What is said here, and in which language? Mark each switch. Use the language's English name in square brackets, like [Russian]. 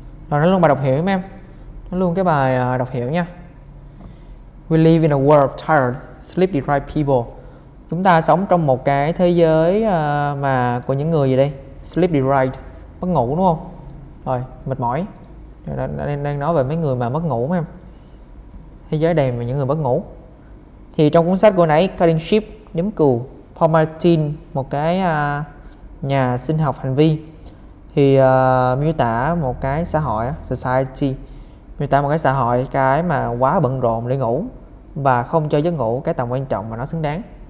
[Vietnamese] Rồi nó luôn bài đọc hiểu em. Nó luôn cái bài đọc hiểu nha. [English] We live in a world of tired, sleep deprived people. [Vietnamese] Chúng ta sống trong một cái thế giới mà của những người gì đây? Sleep deprived, mất ngủ đúng không? Rồi, mệt mỏi. Đang nói về mấy người mà mất ngủ em. Thế giới đầy mà những người mất ngủ. Thì trong cuốn sách của nãy, Cutting Sheep, Nếm Cừu, Paul Martin, một cái nhà sinh học hành vi, thì miêu tả một cái xã hội, society, miêu tả một cái xã hội cái mà quá bận rộn để ngủ và không cho giấc ngủ cái tầm quan trọng mà nó xứng đáng.